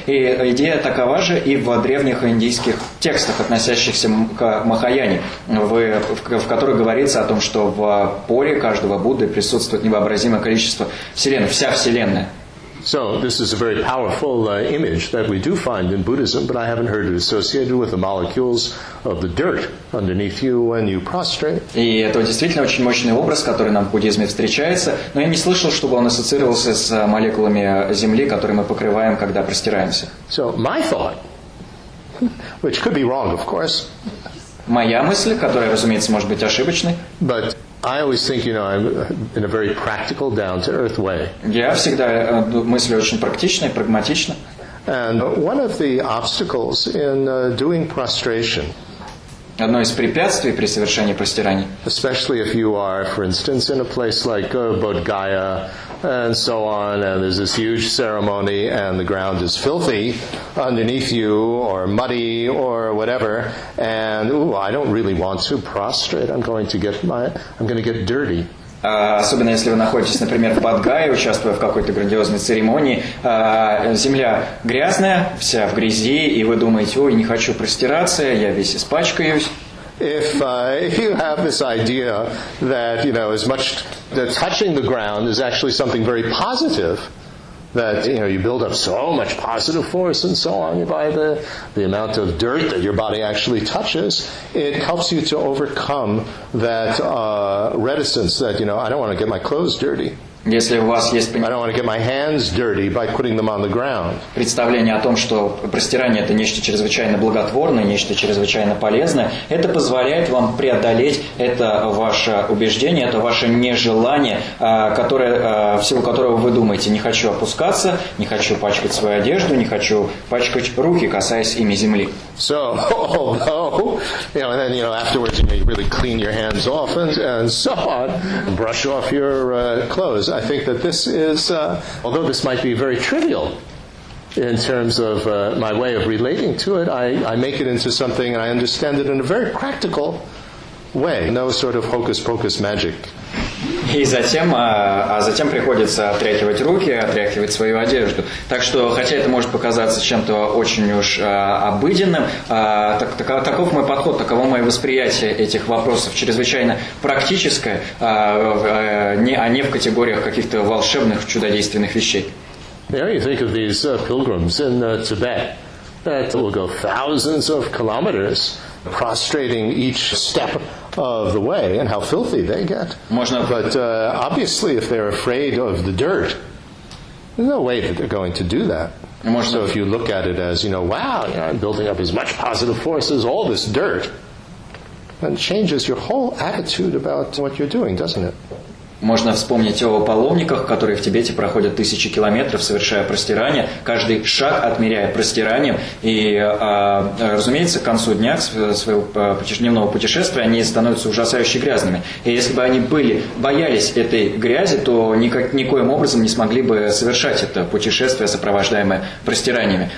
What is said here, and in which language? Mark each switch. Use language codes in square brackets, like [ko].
[ru] И идея такова же и в древних индийских текстах, относящихся к Махаяне, в которых говорится о том, что в поре каждого Будды присутствует невообразимое количество Вселенной, вся Вселенная. [en] So this is a very powerful image that we do find in Buddhism, but I haven't heard it associated with the molecules of the dirt underneath you when you prostrate. [ru] И это действительно очень мощный образ, который нам в буддизме встречается, но я не слышал, чтобы он ассоциировался с молекулами земли, которые мы покрываем, когда простираемся. [en] So my thought, which could be wrong, of course. [ru] Моя мысль, которая, разумеется, может быть ошибочной. [en] But I always think, you know, I'm in a very practical, down-to-earth way. [ru] Я всегда мыслю очень практично и прагматично. [en] And one of the obstacles in doing prostration. [ru] Одно из препятствий при совершении простираний. [en] Especially if you are, for instance, in a place like Bodh Gaya and so on, and there's this huge ceremony and the ground is filthy underneath you or muddy or whatever, and I don't really want to prostrate. I'm going to get dirty. [ru] Особенно если вы находитесь, например, в Бадгае, участвуя в какой-то грандиозной церемонии, земля грязная, вся в грязи, и вы думаете: ой, не хочу простираться, я весь испачкаюсь. [en] If you have this idea that, you know, as much that touching the ground is actually something very positive, that, you know, you build up so much positive force and so on by the amount of dirt that your body actually touches, it helps you to overcome that reticence that, you know, I don't want to get my clothes dirty. [ru] Если у вас есть [en] I don't want to get my hands dirty by putting them on the ground. [ru] Представление о том, что простирание – это нечто чрезвычайно благотворное, нечто чрезвычайно полезное, это позволяет вам преодолеть это ваше убеждение, это ваше нежелание, которое, в силу которого вы думаете: не хочу опускаться, не хочу пачкать свою одежду, не хочу пачкать руки, касаясь ими земли. [en] So, and then, you know, afterwards, you may really clean your hands off and so on, brush off your clothes. I think that this is, although this might be very trivial in terms of my way of relating to it, I make it into something, and I understand it in a very practical way, no sort of hocus pocus magic. [ru] И затем, затем приходится отряхивать руки, отряхивать свою одежду. Так что, хотя это может показаться чем-то очень уж обыденным, таков мой подход, таково мое восприятие этих вопросов. Чрезвычайно практическое, а не в категориях каких-то волшебных, чудодейственных вещей. [en] Yeah, you think of these pilgrims in Tibet that will go thousands of kilometers prostrating each step of the way, and how filthy they get. [ru] Можно... [en] But obviously, if they're afraid of the dirt, there's no way that they're going to do that. [ru] Можно... [en] So if you look at it as, you know, wow, you know, I'm building up as much positive force as all this dirt, then it changes your whole attitude about what you're doing, doesn't it? [ru] Можно вспомнить о паломниках, которые в Тибете проходят тысячи километров, совершая простирание, каждый шаг отмеряя простиранием. И, разумеется, к концу дня своего дневного путешествия они становятся ужасающе грязными. И если бы они боялись этой грязи, то никоим образом не смогли бы совершать это путешествие, сопровождаемое простираниями.